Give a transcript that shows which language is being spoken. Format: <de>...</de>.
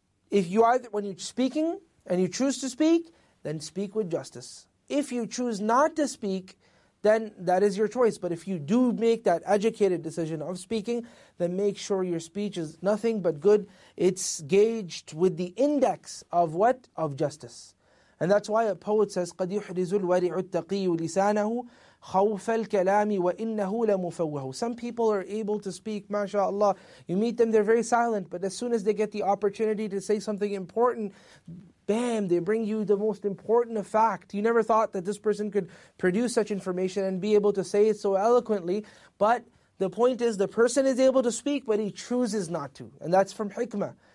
<en>If you either, when you're speaking and you choose to speak, then speak with justice. If you choose not to speak, then that is your choice. But if you do make that educated decision of speaking, then make sure your speech is nothing but good. It's gauged with the index of what? Of justice. And that's why a poet says,</en> <ar>قَدْ يُحْرِزُ الْوَرِعُ التَّقِيُّ لِسَانَهُ خَوْفَ الْكَلَامِ وَإِنَّهُ لَمُفَوَّهُ.</ar> <en>Some people are able to speak, mashaAllah. You meet them, they're very silent. But as soon as they get the opportunity to say something important, bam, they bring you the most important fact. You never thought that this person could produce such information and be able to say it so eloquently. But the point is, the person is able to speak, but he chooses not to. And that's from hikmah.</en>